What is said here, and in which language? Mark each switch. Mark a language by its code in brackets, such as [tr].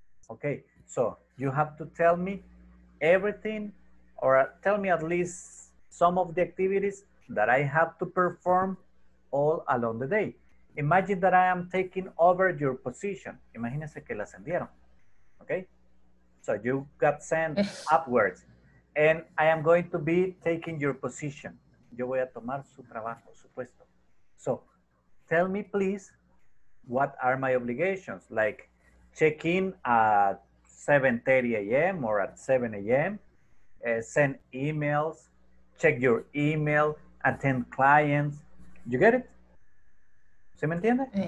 [en] Okay, so you have to tell me everything, or tell me at least some of the activities that I have to perform all along the day. Imagine that I am taking over your position. [es] Imagínese que la ascendieron. [en] Okay? So you got sent upwards. And I am going to be taking your position. [es] Yo voy a tomar su trabajo, su puesto. [en] So tell me, please, what are my obligations? Like check in at 7:30 a.m. or at 7 a.m. Send emails. Check your email. Attend clients. You get it? [es] ¿Se me entiende?